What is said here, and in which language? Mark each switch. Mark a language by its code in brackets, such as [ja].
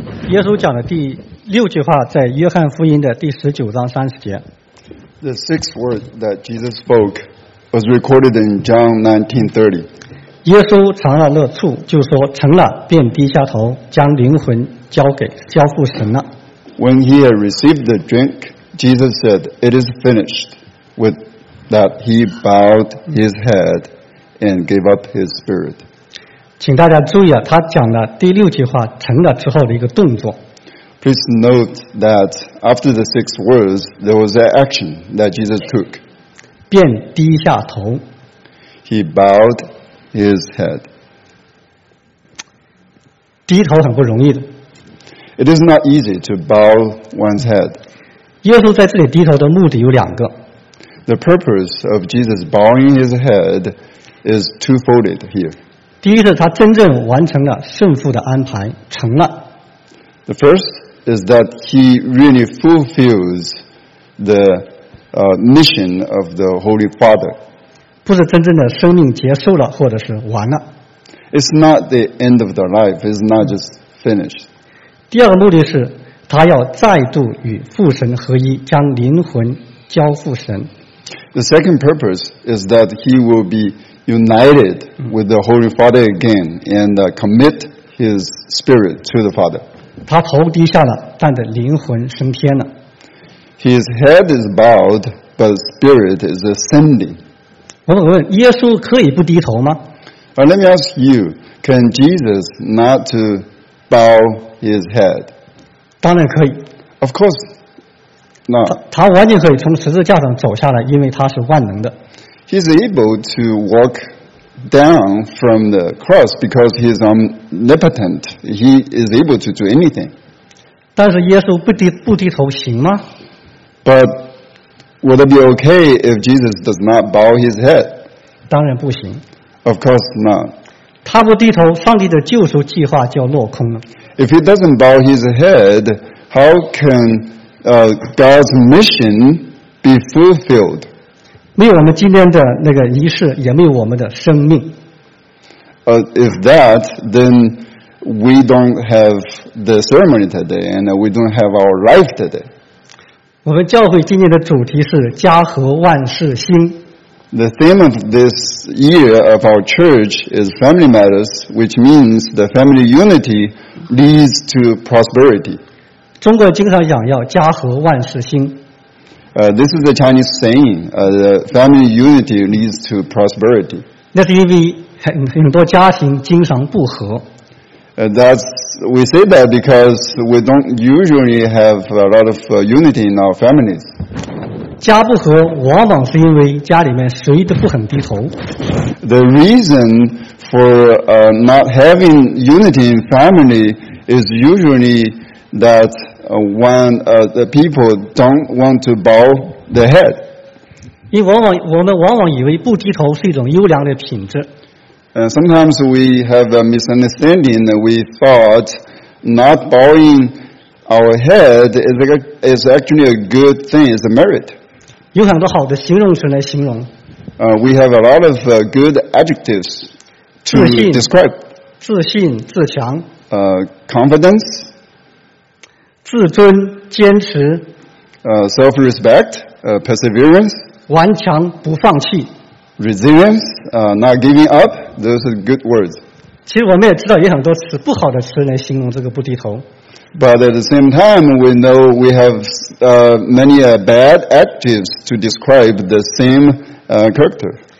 [zh] 耶稣讲的第六句话在约翰福音的第十九章三十节。 [en] The sixth word that Jesus spoke was recorded in John 19:30. [zh] 耶稣尝了乐处，就说成了，便低下头，将灵魂交付神了。 [en] When he had received the drink, Jesus said, "It is finished." With that, he bowed his head and gave up his spirit. [zh] 请大家注意啊，他讲的第六句话成了之后的一个动作。 [en] Please note that after the six words, there was an action that Jesus took. [zh] 便低下头。 [en] He bowed his head. [zh] 低头很不容易的。 [en] It is not easy to bow one's head. [zh] 耶稣在这里低头的目的有两个。 [en] The purpose of Jesus bowing his head is twofold here. [zh] 第一是他真正完成了圣父的安排，成了。 [en] The first is that he really fulfills the mission of the Holy Father. [zh] 不是真正的生命结束了，或者是完了。 [en] It's not the end of the life. It's not just finished. [zh] 第二个目的是他要再度与父神合一，将灵魂交付神。 [en] The second purpose is that he will be united with the Holy Father again and commit his spirit to the Father. [zh] 他头低下了，但的灵魂升天了。 [en] His head is bowed, but spirit is ascending. [zh] 我想问，耶稣可以不低头吗？ [en] But let me ask you, can Jesus not to bow his head? [zh] 当然可以。 [en] Of course, not. [zh] 他完全可以从十字架上走下来，因为他是万能的。 [en] He's able to walk down from the cross because he's omnipotent. He is able to do anything. [zh] 但是耶稣不低头行吗？ [en] But would it be okay if Jesus does not bow his head? [zh] 当然不行。 [en] Of course not. [zh] 他不低头，上帝的救赎计划就要落空了。 [en] If he doesn't bow his head, how can God's mission be fulfilled? [zh] 没有我们今天的那个仪式，也没有我们的生命。 [en] If that, then we don't have the ceremony today, and we don't have our life today. [zh] 我们教会今年的主题是家和万事兴。 [en] The theme of this year of our church is family matters, which means the family unity leads to prosperity. [zh] 中国经常讲要家和万事兴。 [en] This is a Chinese saying, the family unity leads to prosperity. [zh] 那是因为很多家庭经常不和。 [en] We say that because we don't usually have a lot of unity in our families. [zh] 家不和往往是因为家里面谁都不肯低头。 [en] The reason for not having unity in family is usually that one the people don't want to bow their head. [zh] 因为我们往往以为不低头是一种优良的品质。 [en] Sometimes we have a misunderstanding that we thought not bowing our head is actually a good thing, it's a merit. [zh] 有很多好的形容词来形容。 [en] We have a lot of good adjectives to describe. [zh] 自信、自强。 [en] Confidence. [zh] 自尊、坚持。 [en] Self-respect, perseverance. [zh] 顽强、不放弃。 [en] Resilience, not giving up. Those are good words. [zh] 其实我们也知道有很多词不好的词来形容这个不低头。 [en] But at the same time, we know we have many bad adjectives to describe the same character.